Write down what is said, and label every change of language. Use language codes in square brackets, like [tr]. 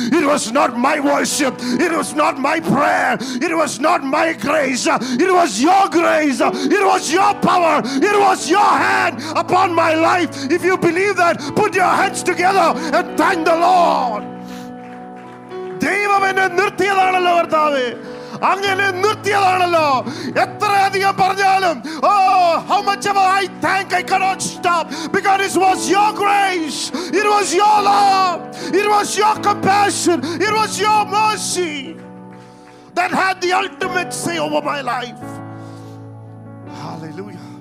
[en] It was not my worship. It was not my prayer. It was not my grace. It was your grace. It was your power. It was your hand upon my life. If you believe that, put your hands together and thank the Lord. [ml] ദൈവം എന്നെ നിർത്തിയതാണല്ലോ കർത്താവ്, അങ്ങനെ നിർത്തിയതാണല്ലോ. എത്രയധികം പറഞ്ഞാലും, ഓ [en] how much ever I thank, I cannot stop, because it was your grace, it was your love, it was your compassion, it was your mercy that had the ultimate say over my life. Hallelujah.